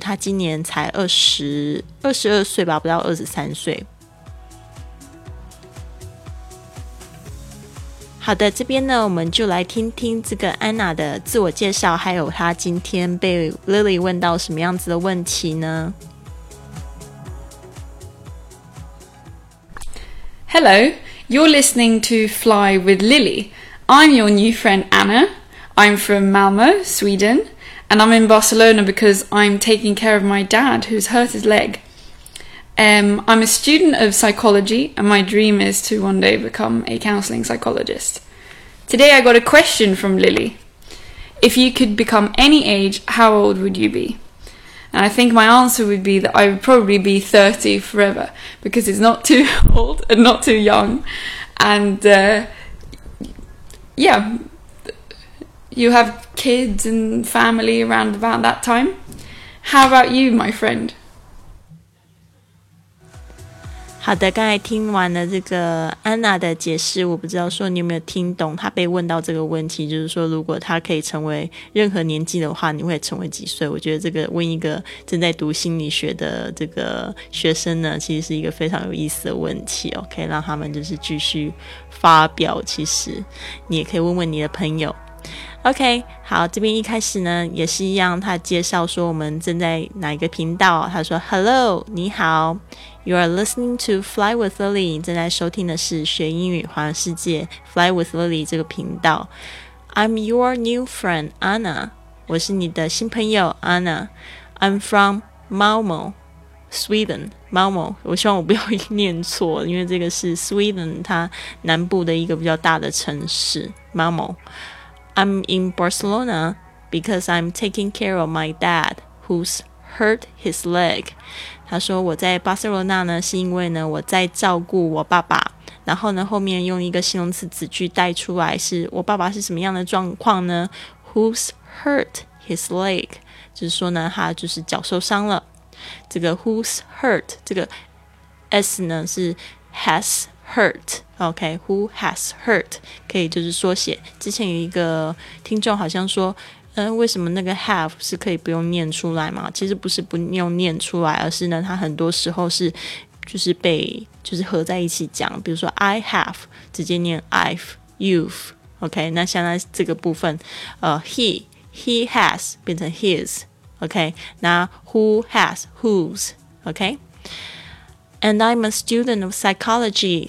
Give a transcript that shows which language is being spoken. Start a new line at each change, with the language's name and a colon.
Chinese: 她今年才22岁吧，不到23岁。好的，这边呢我们就来听听这个安娜的自我介绍，还有她今天被 Lily 问到什么样子的问题呢。
English: Hello, you're listening to Fly with Lily. I'm your new friend Anna. I'm from Malmo, Sweden, and I'm in Barcelona because I'm taking care of my dad who's hurt his leg. I'm a student of psychology and my dream is to one day become a counselling psychologist. Today I got a question from Lily. If you could become any age, how old would you be? And I think my answer would be that I would probably be 30 forever, because it's not too old and not too young. And yeah, you have kids and family around about that time. How about you, my friend?
Chinese: 好的，刚才听完了这个安娜的解释，我不知道说你有没有听懂她被问到这个问题，就是说如果她可以成为任何年纪的话，你会成为几岁？我觉得这个问一个正在读心理学的这个学生呢，其实是一个非常有意思的问题，可以让他们就是继续发表。其实你也可以问问你的朋友。OK， 好，这边一开始呢也是一样，他介绍说我们正在哪一个频道。他说 Hello， 你好，
English: You are listening to Fly with Lily，
Chinese: 正在收听的是学英语环游世界 Fly with Lily 这个频道。
English: I'm your new friend Anna，
Chinese: 我是你的新朋友
English: Anna。 I'm from Malmo Sweden， Malmo，
Chinese: 我希望我不要念错，因为这个是 Sweden 它南部的一个比较大的城市
English: MalmoI'm in Barcelona because I'm taking care of my dad who's hurt his leg.
Chinese: 他说我在巴塞罗那呢，是因为呢我在照顾我爸爸。然后呢后面用一个形容词子句带出来，是我爸爸是什么样的状况呢？
English: Who's hurt his leg?
Chinese: 就是说呢他就是脚受伤了。这个 who's hurt, 这个 S 呢是 has hurt.
English: OK, who has hurt?
Chinese: 可以就是缩写。之前有一个听众好像说为什么那个 have 是可以不用念出来吗？其实不是不用念出来，而是呢它很多时候是就是被就是合在一起讲。比如说 I have, 直接念 I've, you've, OK, 那现在这个部分he has 变成 his, OK, 那 who has, whose, OK?
English: And I'm a student of psychology.